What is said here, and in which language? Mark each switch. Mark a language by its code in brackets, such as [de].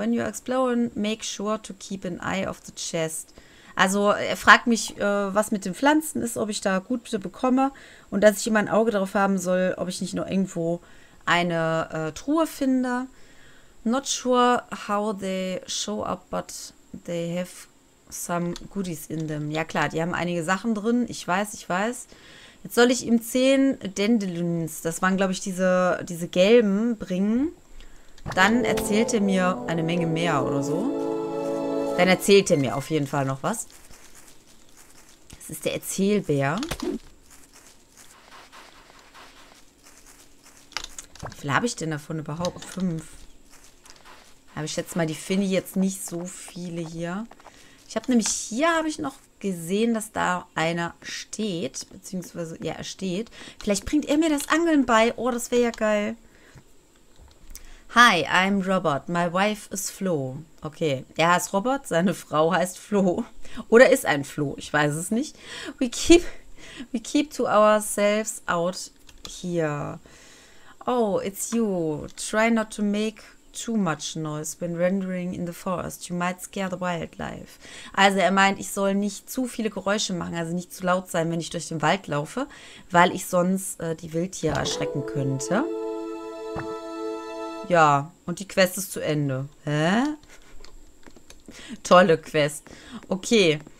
[en] When you're exploring, make sure to keep an eye off the chest. [de] Also, er fragt mich, was mit den Pflanzen ist, ob ich da gut bekomme und dass ich immer ein Auge drauf haben soll, ob ich nicht nur irgendwo eine Truhe finde. [en] Not sure how they show up, but they have some goodies in them. [de] Ja klar, die haben einige Sachen drin, ich weiß, ich weiß. Jetzt soll ich ihm 10 Dandelions, das waren glaube ich diese gelben, bringen. Dann erzählt er mir eine Menge mehr oder so. Dann erzählt er mir auf jeden Fall noch was. Das ist der Erzählbär. Wie viel habe ich denn davon überhaupt? 5. Habe ich jetzt mal, die finde ich jetzt nicht so viele hier. Ich habe nämlich hier, habe ich noch gesehen, dass da einer steht. Beziehungsweise, ja, er steht. Vielleicht bringt er mir das Angeln bei. Oh, das wäre ja geil. [en] Hi, I'm Robert. My wife is Flo. [de] Okay, er heißt Robert, seine Frau heißt Flo. Oder ist ein Flo, ich weiß es nicht. [en] We keep to ourselves out here. Oh, it's you. Try not to make too much noise when wandering in the forest. You might scare the wildlife. [de] Also er meint, ich soll nicht zu viele Geräusche machen, also nicht zu laut sein, wenn ich durch den Wald laufe, weil ich sonst die Wildtiere erschrecken könnte. Ja, und die Quest ist zu Ende. Hä? Tolle Quest. Okay.